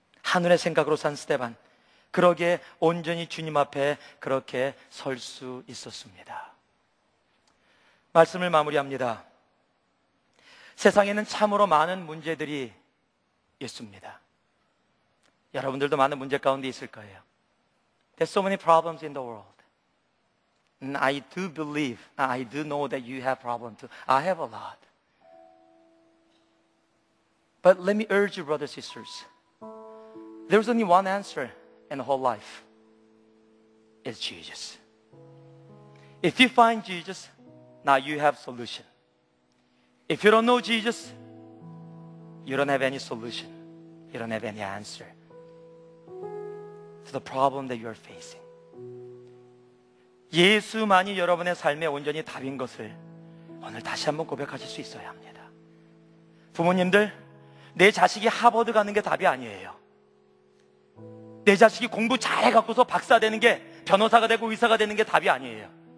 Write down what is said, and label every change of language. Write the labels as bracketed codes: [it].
[ko] 하늘의 생각으로 산 스데반, 그러기에 온전히 주님 앞에 그렇게 설 수 있었습니다. 말씀을 마무리합니다. 세상에는 참으로 많은 문제들이 있습니다. 여러분들도 많은 문제 가운데 있을 거예요. [en] There's so many problems in the world. And I do believe, I do know that you have problems too. I have a lot. But let me urge you, brothers and sisters. There's only one answer in the whole life. It's Jesus. If you find Jesus, now you have solution. If you don't know Jesus, you don't have any solution. You don't have any answer to the problem that you are facing. [ko] 예수만이 여러분의 삶에 온전히 답인 것을 오늘 다시 한번 고백하실 수 있어야 합니다. 부모님들, 내 자식이 하버드 가는 게 답이 아니에요. 내 자식이 공부 잘해갖고서 박사 되는 게, 변호사가 되고 의사가 되는 게 답이 아니에요.